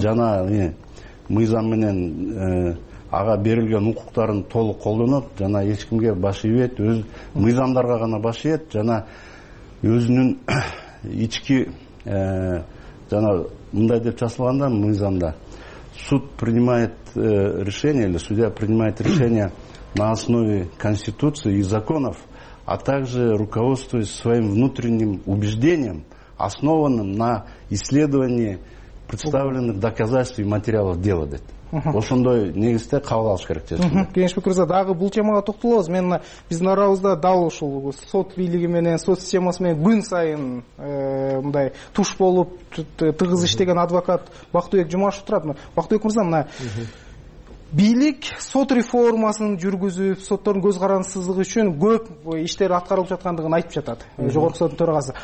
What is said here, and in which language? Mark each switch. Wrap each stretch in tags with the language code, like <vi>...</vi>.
<ky>жана мыйзам менен ага берилген укуктарын толук колдонот жана эч кимге баш ийбейт, өз мыйзамдарга гана баш ийет жана өзүнүн ички жана мындай деп жазылган да мыйзамда.</ky> <ru>Суд принимает решение или судья принимает решение на основе конституции и законов, а также руководствуясь своим внутренним убеждением, основанным на исследовании представленных доказательств и материалов дела.</ru> <ky>Ошондой негизде кабыл алыш керек дейсиз. Кеңешбек мырза, дагы бул темага токтолобуз. Мен биздин арабызда дал ушул сот бийлиги менен сот системасы менен күн сайын мындай туш болуп тыгыз иштеген адвокат Бактыбек Жумашев турат. Бактыбек мырза, мына бийлик сот реформасын жүргүзүп, соттордун көз карансыздыгы үчүн көп иштер аткарылып жаткандыгын айтып жатат жогорку соттун төрагасы.</ky>